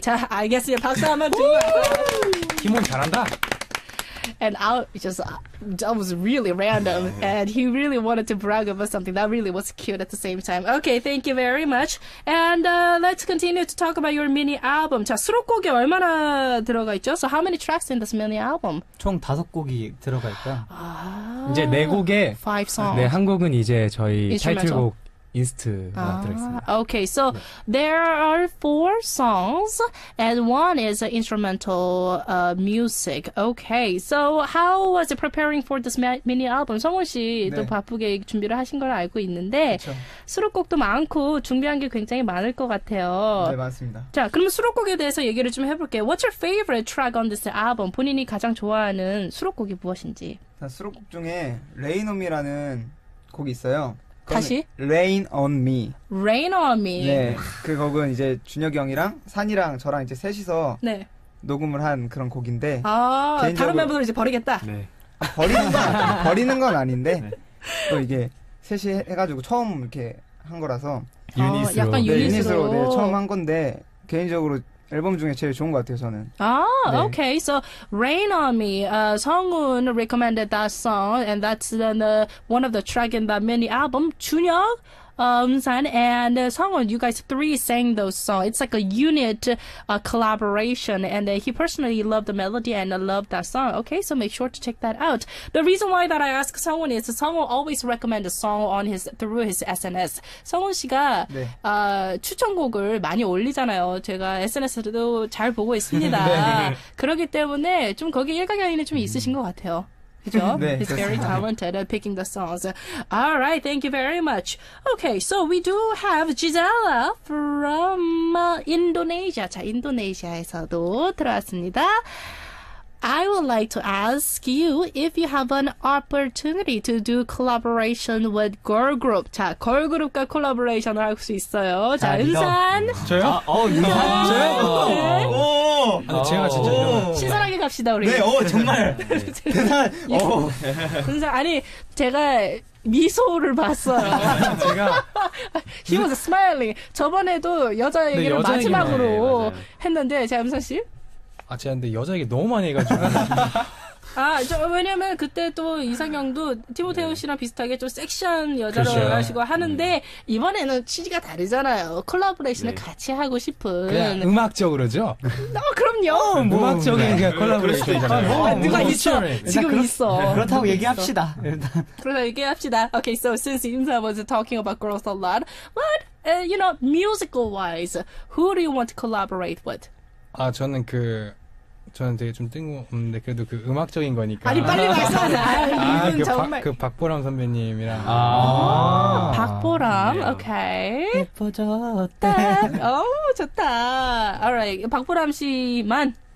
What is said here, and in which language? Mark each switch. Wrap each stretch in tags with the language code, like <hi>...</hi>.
<ko>자, 알겠습니다. 박수 한번 주세요. 팀원 잘한다.</ko> <en>And I just, that was really random. And he really wanted to brag about something that really was cute at the same time. Okay, thank you very much. And let's continue to talk about your mini album.</en> <ko>자, 수록곡이 얼마나 들어가 있죠?</ko> <en>So how many tracks in this mini album?</en> <ko>총 다섯 곡이 들어가 있다. 아, 이제 네 곡에.</ko> <en>Five songs.</en> <ko>네, 한 곡은 이제 저희 타이틀곡. Inst가 들어있습니다.</ko> <en>Okay, so 네. there are four songs, and one is instrumental music. Okay, so how was it preparing for this mini album?</en> <ko>성훈 씨, 또 네. 바쁘게 준비를 하신 걸 알고 있는데, 그쵸. 수록곡도 많고 준비한 게 굉장히 많을 것 같아요. 네, 맞습니다. 자, 그럼 수록곡에 대해서 얘기를 좀 해볼게요. What's your favorite track on this album? 본인이 가장 좋아하는 수록곡이 무엇인지? 자, 수록곡 중에 Rain On Me라는 곡이 있어요. 다시 Rain on me. Rain on me. 네, 그 곡은 이제 준혁이 형이랑 산이랑 저랑 이제 셋이서 네. 녹음을 한 그런 곡인데. 아 개인적으로, 다른 멤버들 이제 버리겠다. 네. 아, 버리는 건 아닌데 네. 또 이게 셋이 해가지고 처음 이렇게 한 거라서. 유닛으로. 약간 유닛으로. 네, 유닛으로 네, 처음 한 건데 개인적으로. 앨범 중에 제일 좋은 것 같아요, 저는.</ko> <en>아, 네. okay. So, Rain On Me. 성훈 recommended that song. And that's the, one of the tracks in the mini album. 준혁, 은산, and 성훈, you guys three sang those songs. It's like a unit collaboration. And he personally loved the melody and loved that song. Okay, so make sure to check that out. The reason why that I ask 성훈 is 성훈 always recommend a song on his, through his SNS.</en> <ko>성훈 씨가 네. 추천곡을 많이 올리잖아요. 제가 SNS도 잘 보고 있습니다. 네. 그렇기 때문에 좀 거기 일가견이 좀 있으신 것 같아요. 그죠? 네,</ko> <en>He's very talented at picking the songs. All right, thank you very much. Okay, so we do have Gisella from Indonesia.</en> <ko>자, 인도네시아에서도 들어왔습니다.</ko> <en>I would like to ask you if you have an opportunity to do collaboration with girl group.</en> <ko>자, 걸그룹과 콜라보레이션을 할 수 있어요. 자, 은산. 저요? 은산. 저요? 제가 진짜. 신선하게 갑시다, 우리. 네, 정말. 대단. 은산, 아니, 제가. 미소를 봤어요. 제가</ko> <en>He was smiling.</en> <ko>저번에도 여자 얘기를 네, 마지막으로 얘기만, 네, 했는데 제가 은산 씨? 아 제가 근데 여자 얘기 너무 많이 해가지고 아, 저 왜냐면 그때 또 이상형도 티모테오 씨랑 네. 비슷하게 좀 섹시한 여자로 그렇죠. 하시고 하는데 네. 이번에는 취지가 다르잖아요. 콜라보레이션을 네. 같이 하고 싶은 그냥 음악적으로죠? 어, 그럼요. 음악적인 네. 그냥 콜라보레이션이잖아요. 아, 누가 있어? 그렇죠. 지금 있어. 그렇다고 얘기합시다. 그렇다고 얘기합시다.</ko> <en>Okay, so since Insa was talking about girls a lot, what, you know, musical wise, who do you want to collaborate with?</en> <ko>아, 저는 그 저는 되게 좀 뜬금없는데 그래도 그 음악적인 거니까 아니 빨리 말씀하자 아, 그 정말 그 박보람 선배님이랑 아 박보람 네. 오케이 예뻐졌다 오 좋다 alright 박보람 씨만</ko>